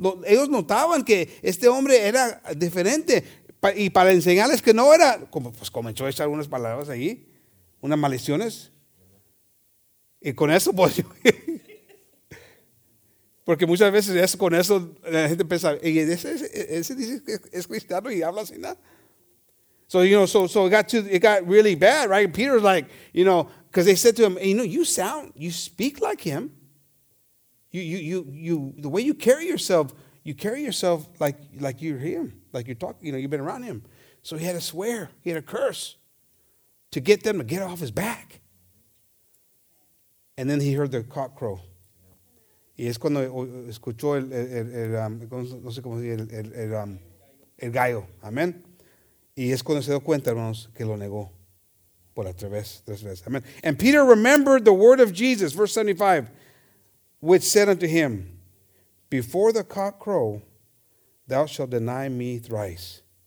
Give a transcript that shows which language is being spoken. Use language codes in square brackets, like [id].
[es] Ellos notaban que este hombre era diferente. Y para enseñarles que no era, pues comenzó a echar unas palabras ahí, unas maldiciones. Y con eso, pues, porque muchas veces es con eso la gente piensa, y ese dice que es cristiano y habla así, ¿no? [en] So, you know, it got really bad, right? Peter's like, you know, because they said to him, you know, you speak like him. You, the way you carry yourself like you're him, like you're talking, you know, you've been around him. So he had a swear, he had a curse to get them to get off his back. And then he heard the cock crow. [es] Y es cuando escuchó el gallo. [en] Amén. [es] Y es cuando se dio cuenta, hermanos, que lo negó por tres veces. Amén. [en] And Peter remembered the word of Jesus, verse 75, which said unto him, before the cock crow, thou shalt deny me thrice.